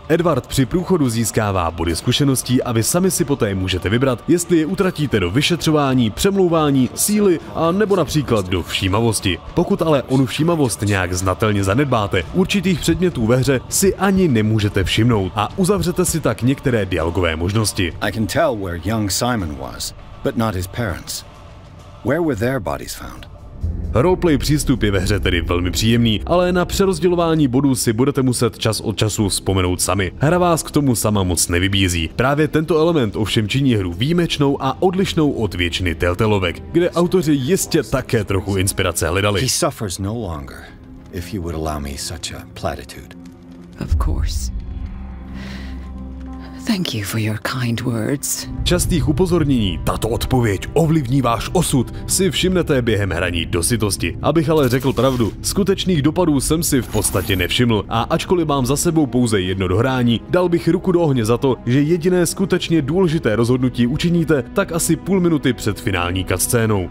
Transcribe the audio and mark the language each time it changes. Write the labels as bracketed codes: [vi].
[cs] Edward při průchodu získává body zkušeností a vy sami si poté můžete vybrat, jestli je utratíte do vyšetřování, přemlouvání, síly a nebo například do všímavosti. Pokud ale onu všímavost nějak znatelně zanedbáte, určitých předmětů ve hře si ani nemůžete všimnout a uzavřete si tak některé dialogové možnosti. [en] I can tell where young Simon was, but not his parents. Where were their bodies found? [cs] Roleplay přístup je ve hře tedy velmi příjemný, ale na přerozdělování bodů si budete muset čas od času vzpomenout sami. Hra vás k tomu sama moc nevybízí. Právě tento element ovšem činí hru výjimečnou a odlišnou od většiny Telltaleovek, kde autoři jistě také trochu inspirace hledali. [en] He suffers no longer, if you would allow me such a platitude. Of course. Thank you for your kind words. [cs] Častých upozornění, tato odpověď ovlivní váš osud, si všimnete během hraní do sytosti. Abych ale řekl pravdu, skutečných dopadů jsem si v podstatě nevšiml a ačkoliv mám za sebou pouze jedno dohrání, dal bych ruku do ohně za to, že jediné skutečně důležité rozhodnutí učiníte tak asi půl minuty před finální cutscénou.